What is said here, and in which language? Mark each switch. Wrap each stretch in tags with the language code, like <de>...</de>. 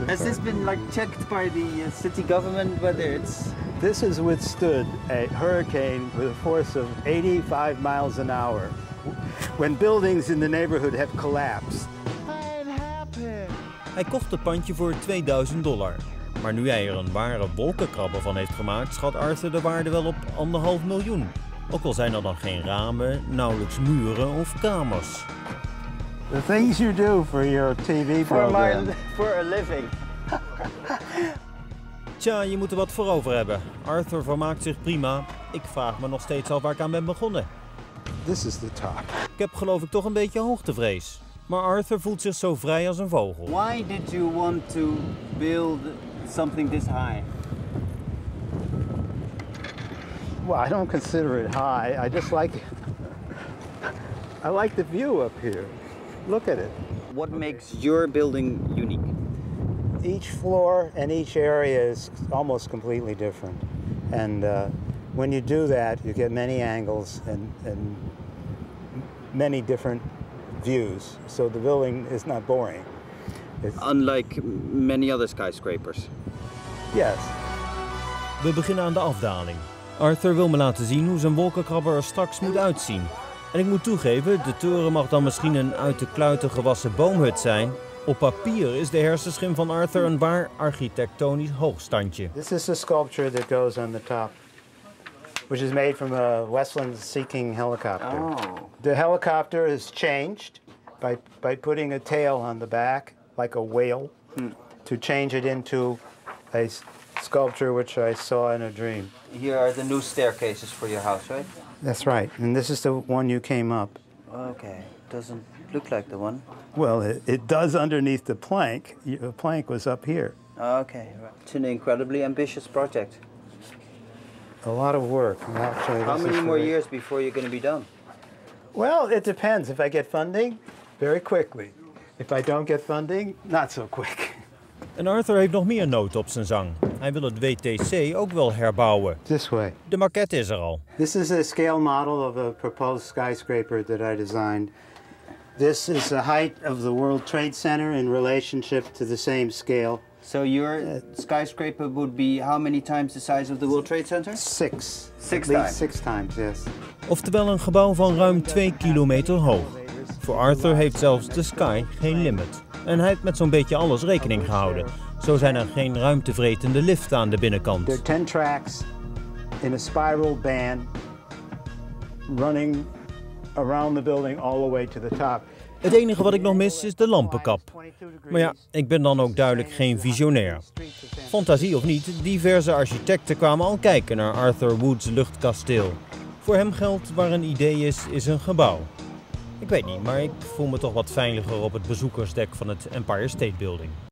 <en>Has this been like checked by the city government, whether it's... This has withstood a hurricane with a force of 85 miles an hour. When buildings in the neighborhood have collapsed. It happened.</en> <nl>Hij kocht het pandje voor $2000. Maar nu hij er een ware wolkenkrabber van heeft gemaakt, schat Arthur de waarde wel op 1,5 miljoen. Ook al zijn er dan geen ramen, nauwelijks muren of kamers.</nl> <en>The things you do for your TV program. For a living.</en> <nl>Tja, je moet er wat voor over hebben. Arthur vermaakt zich prima. Ik vraag me nog steeds af waar ik aan ben begonnen.</nl> <en>This is the top.</en> <nl>Ik heb geloof ik toch een beetje hoogtevrees. Maar Arthur voelt zich zo vrij als een vogel.</nl> <en>Why did you want to build something this high? Well, I don't consider it high. I just like it. I like the view up here. Look at it. What makes your building unique? Each floor and each area is almost completely different. And when you do that, you get many angles and many different views. So the building is not boring. It's unlike many other skyscrapers. Yes.</en> <nl>We beginnen aan de afdaling. Arthur wil me laten zien hoe zijn wolkenkrabber er straks moet uitzien. En ik moet toegeven, de toren mag dan misschien een uit de kluiten gewassen boomhut zijn. Op papier is de hersenschim van Arthur een waar architectonisch hoogstandje.</nl> <en>This is a sculpture that goes on the top, which is made from a Westland Sea King helicopter. Oh. The helicopter is changed by putting a tail on the back, like a whale, to change it into a sculpture which I saw in a dream. Here are the new staircases for your house, right? That's right. And this is the one you came up. Okay. Doesn't look like the one. Well, it does underneath the plank. The plank was up here. Okay. Right. It's an incredibly ambitious project. A lot of work. Actually, how many more years before you're going to be done? Well, it depends. If I get funding, very quickly. If I don't get funding, not so quick.</en> <nl>En Arthur heeft nog meer noten op zijn zang. Hij wil het WTC ook wel herbouwen.</nl> <en>This way.</en> <nl>De maquette is er al.</nl> <en>This is a scale model of a proposed skyscraper that I designed. This is the height of the World Trade Center in relationship to the same scale. So your skyscraper would be how many times the size of the World Trade Center? Six. Six times? Six times, yes.</en> <nl>Oftewel een gebouw van ruim 2 kilometer hoog. Voor Arthur heeft zelfs de sky geen limit. En hij heeft met zo'n beetje alles rekening gehouden. Zo zijn er geen ruimtevretende liften aan de binnenkant.</nl> <en>There are 10 tracks in a spiral band running around the building all the way to the top.</en> <nl>Het enige wat ik nog mis is de lampenkap. Maar ja, ik ben dan ook duidelijk geen visionair. Fantasie of niet, diverse architecten kwamen al kijken naar Arthur Wood's luchtkasteel. Voor hem geldt waar een idee is, is een gebouw. Ik weet niet, maar ik voel me toch wat veiliger op het bezoekersdek van het Empire State Building.</nl>